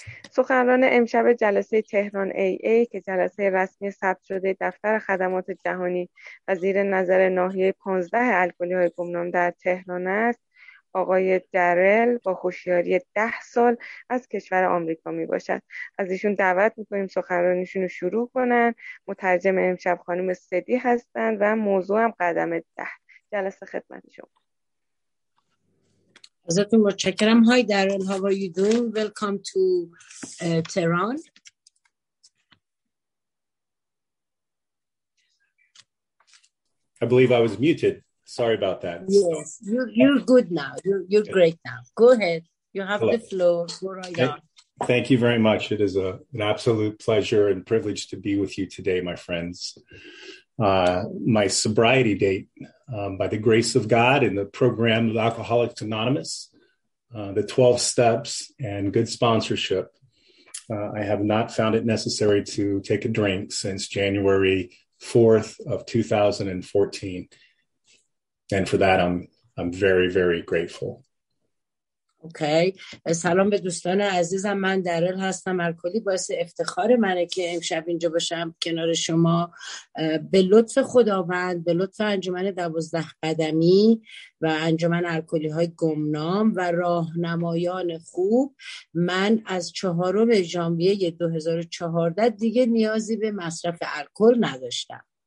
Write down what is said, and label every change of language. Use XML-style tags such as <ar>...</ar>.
<fa>سخنران امشب جلسه تهران AA که جلسه رسمی ثبت شده دفتر خدمات جهانی و زیر نظر ناحیه 15 الکلی های گمنام در تهران است، آقای درل با هوشیاری 10 سال از کشور آمریکا می باشد. از ایشون دعوت می کنیم سخنرانیشون رو شروع کنند. مترجم امشب خانم صدی هستند و موضوع هم قدم 10. جلسه خدمت شما. ازتون متشکرم.</fa> <en>Hi Darrell, how are you doing? Welcome to Tehran. I believe I was muted. Sorry about that. Yes, you're good now. You're great now. Go ahead. You have Hello. The floor. Go right on. Thank you very much. It is an absolute pleasure and privilege to be with you today, my friends. My sobriety date, by the grace of God and the program of Alcoholics Anonymous, the 12 steps and good sponsorship, I have not found it necessary to take a drink since January 4th of 2014. And for that, I'm very, very grateful. Okay okay.</en> <fa>سلام به دوستان عزیزم، من درل هستم. الکلی باعث افتخار منه که امشب اینجا باشم کنار شما. به لطف خداوند، به لطف انجمن 12 قدمی و انجمن الکلی های گمنام و راهنمایان خوب، من از 4 ژانویه 2014 دیگه نیازی به مصرف الکل نداشتم.</fa>